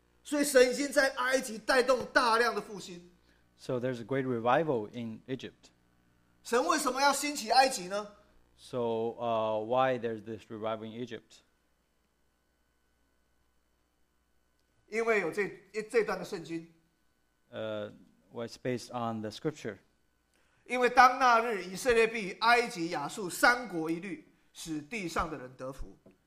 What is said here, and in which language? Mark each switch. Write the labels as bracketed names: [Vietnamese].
[Chinese] 所以神已经在埃及带动大量的复兴。 [English] So there's a great revival in Egypt. [Chinese] 神为什么要兴起埃及呢？ [English] So why there's this revival in Egypt? [Chinese] 因为有这段的圣经。 [English] Well, it's based on the scripture. [Chinese] 因为当那日，以色列必埃及、亚述三国一律，使地上的人得福。